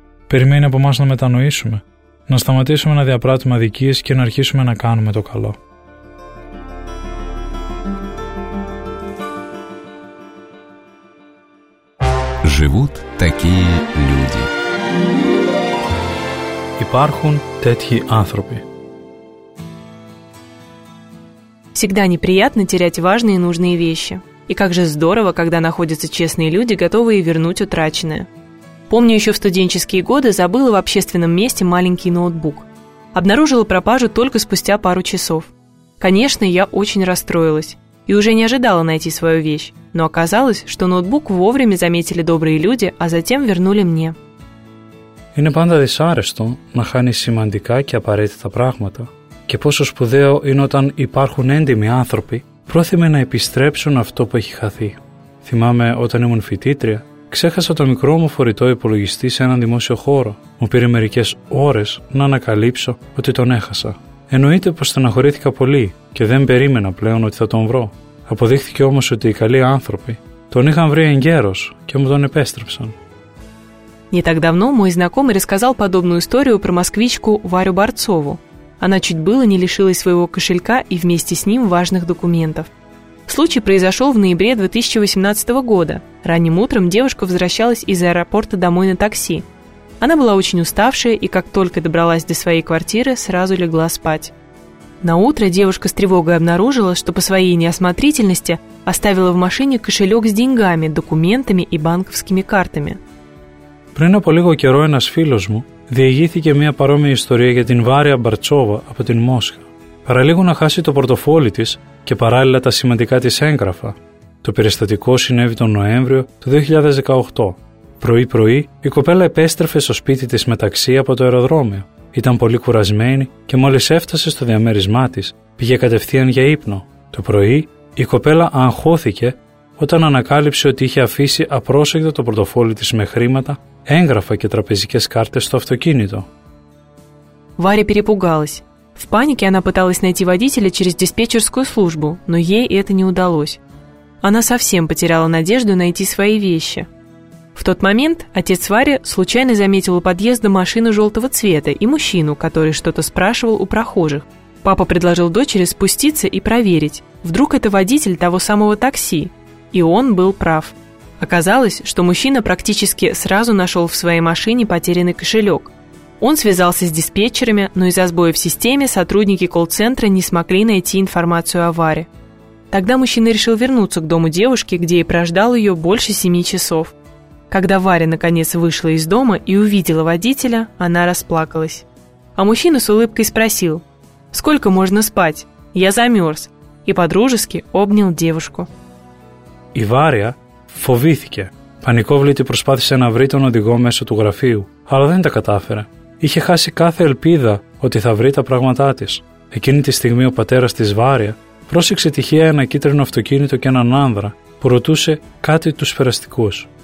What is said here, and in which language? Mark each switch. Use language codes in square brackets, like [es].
[el] Περιμένει από μας να μετανοήσουμε, να σταματήσουμε να διαπράττουμε αδικίες και να αρχίσουμε να κάνουμε το καλό». [ru] Живут такие люди. [el] Υπάρχουν τέτοιοι άνθρωποι. [ru] Всегда неприятно терять важные и нужные вещи. И как же здорово, когда находятся честные люди, готовые вернуть утраченное. Помню, еще в студенческие годы забыла в общественном месте маленький ноутбук. Обнаружила пропажу только спустя 2 часа. Конечно, я очень расстроилась. И уже не ожидала найти свою вещь. Но оказалось, что ноутбук вовремя заметили добрые люди, а затем вернули мне. [el] Είναι πάντα δυσάρεστο να χάνεις σημαντικά και απαραίτητα πράγματα. Και πόσο σπουδαίο είναι όταν υπάρχουν έντιμοι άνθρωποι πρόθυμοι να επιστρέψουν αυτό που έχει χαθεί. Θυμάμαι όταν ήμουν φοιτήτρια, ξέχασα το μικρό μου φορητό υπολογιστή σε έναν δημόσιο χώρο. Μου πήρε μερικές ώρες να ανακαλύψω ότι τον έχασα. Εννοείται πως στεναχωρήθηκα πολύ και δεν περίμενα πλέον ότι θα τον βρω. Αποδείχθηκε όμως ότι οι καλοί άνθρωποι τον είχαν βρει εν καιρός και μου τον επέστρεψαν. [ru] Не так давно мой знакомый рассказал подобную историю про москвичку Варю Борцову. Она чуть было не лишилась своего кошелька и вместе с ним важных документов. Случай произошел в ноябре 2018 года. Ранним утром девушка возвращалась из аэропорта домой на такси. Она была очень уставшая и как только добралась до своей квартиры, сразу легла спать. Наутро девушка с тревогой обнаружила, что по своей неосмотрительности оставила в машине кошелек с деньгами, документами и банковскими картами. [el] Πριν από λίγο καιρό ένας φίλος μου διηγήθηκε μια παρόμοια ιστορία για την Βάρια Μπαρτσόβα από την Μόσχα. Παραλίγο να χάσει το πορτοφόλι της, και παράλληλα τα σημαντικά της έγγραφα. Το περιστατικό συνέβη τον Νοέμβριο του 2018. Πρωί-πρωί η κοπέλα επέστρεφε στο σπίτι της μεταξύ από το αεροδρόμιο. Ήταν πολύ κουρασμένη και μόλις έφτασε στο διαμέρισμά της πήγε κατευθείαν για ύπνο. Το πρωί η κοπέλα αγχώθηκε όταν ανακάλυψε ότι είχε αφήσει απρόσεκτα το πορτοφόλι της με χρήματα, έγγραφα και τραπεζικές κάρτες στο αυτοκίνητο. [ru] Варя перепугалась. В панике она пыталась найти водителя через диспетчерскую службу, но ей это не удалось. Она совсем потеряла надежду найти свои вещи. В тот момент отец Вари случайно заметил у подъезда машину желтого цвета и мужчину, который что-то спрашивал у прохожих. Папа предложил дочери спуститься и проверить, вдруг это водитель того самого такси. И он был прав. Оказалось, что мужчина практически сразу нашел в своей машине потерянный кошелек. Он связался с диспетчерами, но из-за сбоя в системе сотрудники колл-центра не смогли найти информацию о Варе. Тогда мужчина решил вернуться к дому девушки, где и прождал ее больше 7 часов. Когда Варя наконец вышла из дома и увидела водителя, она расплакалась. А мужчина с улыбкой спросил: «Сколько можно спать? Я замерз». И по-дружески обнял девушку. И Варя фовитике. [el] Πανικόβλητη προσπάθησε να βρει τον οδηγό μέσω του γραφείου, αλλά δεν τα κατάφερε. Είχε χάσει κάθε ελπίδα ότι θα βρει τα πράγματά της. Εκείνη τη στιγμή ο πατέρας της Βάρια πρόσεξε τυχαία ένα κίτρινο αυτοκίνητο και έναν άνδρα που ρωτούσε κάτι τους περαστικούς.